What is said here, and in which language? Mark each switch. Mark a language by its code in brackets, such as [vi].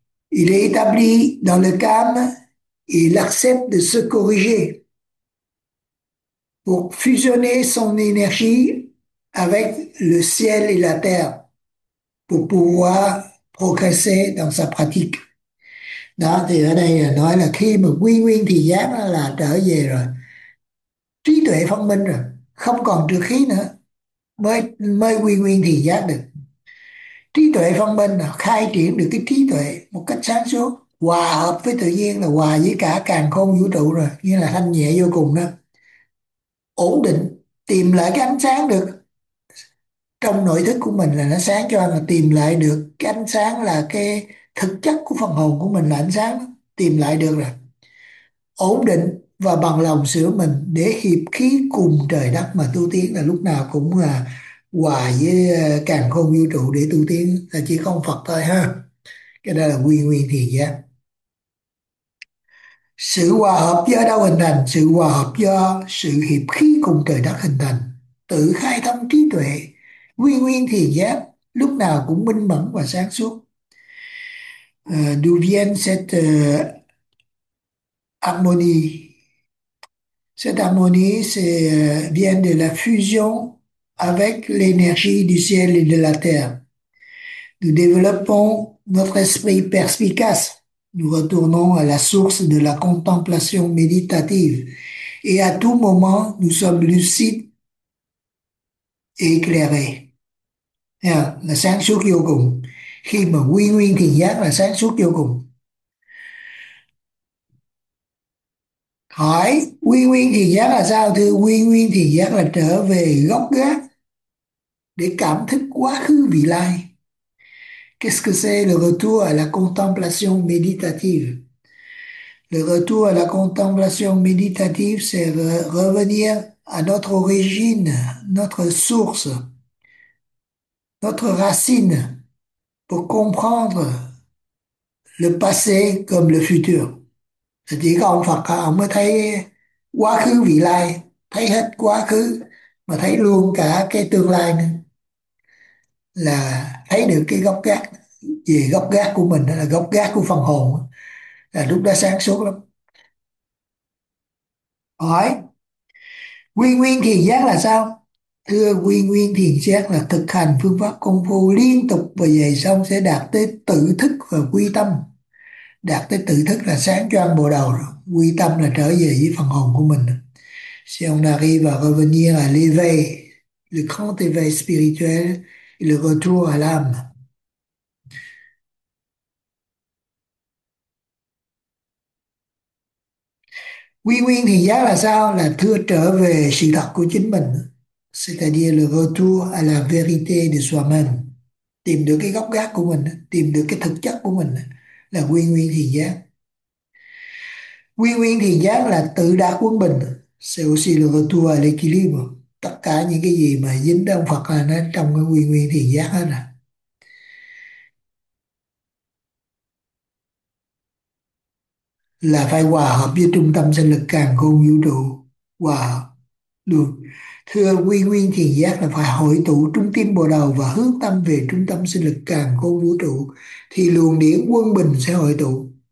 [fr] Il est établi dans le calme et il accepte de se corriger pour fusionner son énergie avec le ciel et la terre pour pouvoir progresser dans sa pratique. [vi] Đó thì ở đây nói là khi mà quy nguyên thì giác là trở về rồi, trí tuệ phân minh rồi, không còn trược khí nữa mới mới quy nguyên thì giác được. Trí tuệ phân minh là khai triển được cái trí tuệ một cách sáng suốt, hòa hợp với tự nhiên, là hòa với cả càn khôn vũ trụ rồi, như là thanh nhẹ vô cùng đó, ổn định tìm lại cái ánh sáng được trong nội thức của mình, là nó sáng cho, là tìm lại được cái ánh sáng, là cái thực chất của phần hồn của mình là ánh sáng, tìm lại được rồi. Ổn định và bằng lòng sửa mình để hiệp khí cùng trời đất mà tu tiến, là lúc nào cũng là hòa với càn khôn vũ trụ để tu tiến, là chỉ không Phật thôi ha. Cái đó là quy nguyên thiền giác. Sự hòa hợp do đâu hình thành? Sự hòa hợp do sự hiệp khí cùng trời đất hình thành. Tự khai thông trí tuệ, quy nguyên thiền giác lúc nào cũng minh mẫn và sáng suốt. [fr] D'où vient cette harmonie? Cette harmonie, c'est vient de la fusion avec l'énergie du ciel et de la terre. Nous développons notre esprit perspicace. Nous retournons à la source de la contemplation méditative. Et à tout moment, nous sommes lucides et éclairés. [vi] Yeah, la sáng suốt vô cùng. Khi mà quy nguyên thiền giác là sáng suốt vô cùng. Hỏi, quy nguyên thiền giác là sao? Thưa, quy nguyên thiền giác là trở về gốc gác để cảm thức quá khứ vị lai. [fr] Qu'est-ce que c'est le retour à la contemplation méditative? Le retour à la contemplation méditative, c'est revenir à notre origine, notre source, notre racine, pour comprendre le passé comme le futur. C'est-à-dire qu' [vi] ông Phật, ông mới thấy quá khứ vị lai, thấy hết quá khứ, mà thấy luôn cả cái tương lai nữa. Là thấy được cái gốc gác, về gốc gác của mình, đó là gốc gác của phần hồn, là lúc đó sáng suốt lắm. Hỏi, quy nguyên thiền giác là sao? Thưa, quy nguyên thiền giác là thực hành phương pháp công phu liên tục và dày xong sẽ đạt tới tự thức và quy tâm. Đạt tới tự thức là sáng choang bộ đầu rồi. Quy tâm là trở về với phần hồn của mình. [fr] Si on arrive à revenir à l'éveil, le grand éveil spirituel, et le retour à l'âme. [vi] Quy nguyên thiền giác là sao? Là thưa, trở về sự thật của chính mình. [fr] C'est-à-dire le retour à la vérité de soi-même. [vi] Tìm được cái gốc gác của mình, tìm được cái thực chất của mình là quy nguyên thiền giác. Quy nguyên thiền giác là tự đạt quân bình. [fr] C'est aussi le retour à l'équilibre. [vi] Tất cả những cái gì mà dính đến ông Phật là nó trong cái quy nguyên thiền giác hết à. Là phải hòa hợp với trung tâm sinh lực càn khôn vũ trụ. Wow, được. Thưa quy nguyên thiền giác là phải hội tụ trung tâm bồ đầu và hướng tâm về trung tâm sinh lực càn khôn vũ trụ thì luồng điển quân bình sẽ hội tụ.